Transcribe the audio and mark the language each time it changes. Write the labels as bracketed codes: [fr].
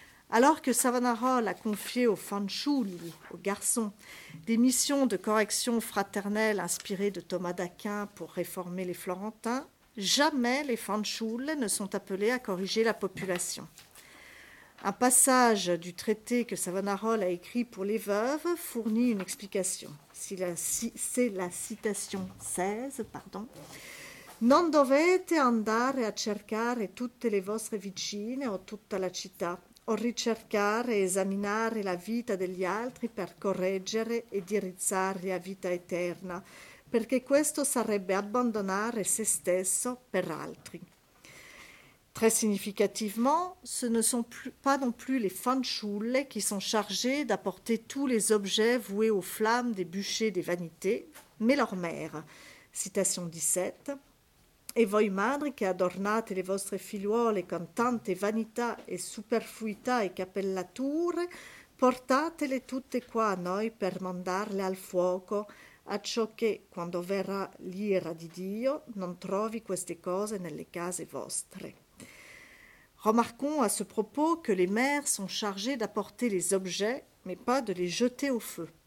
[fr] Alors que Savonarole a confié aux fanciulli, aux garçons, des missions de correction fraternelle inspirées de Thomas d'Aquin pour réformer les Florentins, jamais les fanciulle ne sont appelés à corriger la population. Un passage du traité que Savonarole a écrit pour les veuves fournit une explication. C'est la citation 16, pardon. [it] Non dovete andare a cercare tutte le vostre vicine o tutta la città, o ricercare e esaminare la vita degli altri per correggere e dirizzare la vita eterna, perché questo sarebbe abbandonare se stesso per altri. [fr] Très significativement, ce ne sont pas non plus les fanciulle qui sont chargés d'apporter tous les objets voués aux flammes des bûchers des vanités, mais leur mère. Citation 17. [it] « E voi madri che adornate le vostre figliuole con tante vanità e superfluità e cappellature, portatele tutte qua a noi per mandarle al fuoco, a ciò che, quando verrà l'ira di Dio, non trovi queste cose nelle case vostre. » [fr] Remarquons à ce propos que les mères sont chargées d'apporter les objets, mais pas de les jeter au feu.